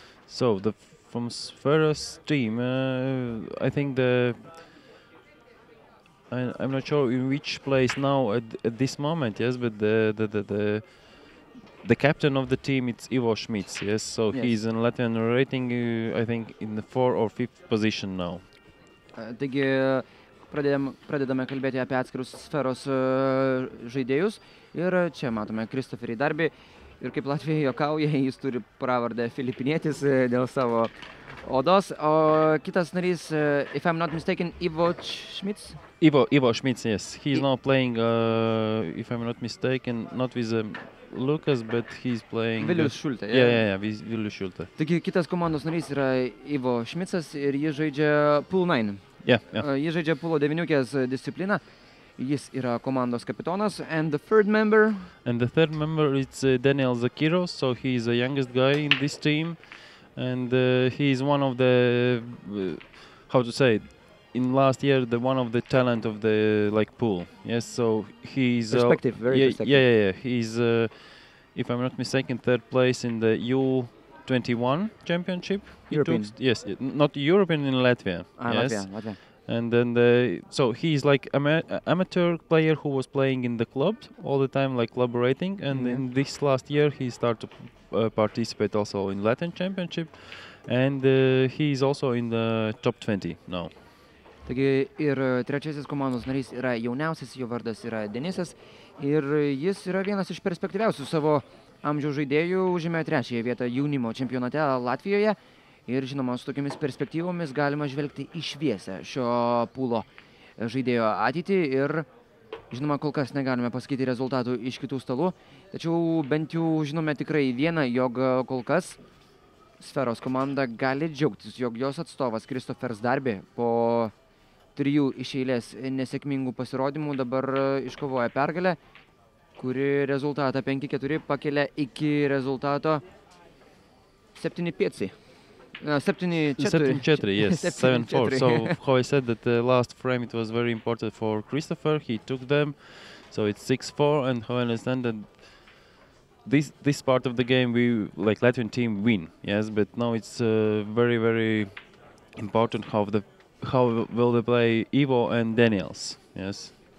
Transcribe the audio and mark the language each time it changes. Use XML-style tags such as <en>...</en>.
<en>So, from Sfera's team, I think I'm not sure in which place now at this moment, yes, but the captain of the team, it's Ivo Schmitz, yes, so yes. He's in Latvian rating, I think, in the fourth or fifth position now.</en> <lt>Taigi, pradedame kalbėti apie atskirus Sferos žaidėjus ir čia matome Kristoferį darbį Ir kaip Latvijoje jokauja, jis turi pravardę Filipinietis dėl savo odos. O kitas narys,</lt> <en>if I'm not mistaken, Ivo Schmitz, yes. He's now playing, if I'm not mistaken, not with Lucas, but he's playing... Vilius Šultė. Yeah. Yeah, with Vilius Šultė.</en> <lt>Taigi kitas komandos narys yra Ivo Šmitzas ir jis žaidžia Pool 9. Jis žaidžia Pulo devyniukės discipliną. Jis yra komandos kapitonas.</lt> <en>And the third member is Daniel Zakiros, so he is the youngest guy in this team. And he is one of the, how to say it, in last year, the one of the talent of the, like, pool. Yes, so he is... Perspective, very perspective. Yeah. He is, if I'm not mistaken, third place in the U21 championship. European. Yes, not European, in Latvia. Latvia. And then so he's like amateur player who was playing in the club all the time, like collaborating. And in this last year, he started to participate also in Latin Championship. And he's also in the top 20 now.</en> <lt>Taigi ir trečiasis komandos narys yra jauniausias, jo vardas yra Denisas. Ir jis yra vienas iš perspektyviausių savo amžiaus žaidėjų, užėmė trečiąją vietą jaunimo čempionate Latvijoje. Ir žinoma, su tokiamis perspektyvomis galima žvelgti į šviesę šio pūlo žaidėjo ateitį. Ir žinoma, kol kas negalime pasakyti rezultatų iš kitų stalų. Tačiau bent jau žinome tikrai vieną, jog kol kas sferos komanda gali džiaugtis, jog jos atstovas Kristofers Darbi po trijų iš eilės nesėkmingų pasirodymų dabar iškovoja pergalę, kuri rezultatą 5-4 pakelia iki rezultato 7-5. 7-4,</lt> <en>yes, 7-4. So, how I said that the last frame it was very important for Christopher, he took them, so it's 6-4, and how I understand that this part of the game, we, like Latvian team, win, yes, but now it's very, very important how will they play Ivo and Daniels, yes.</en>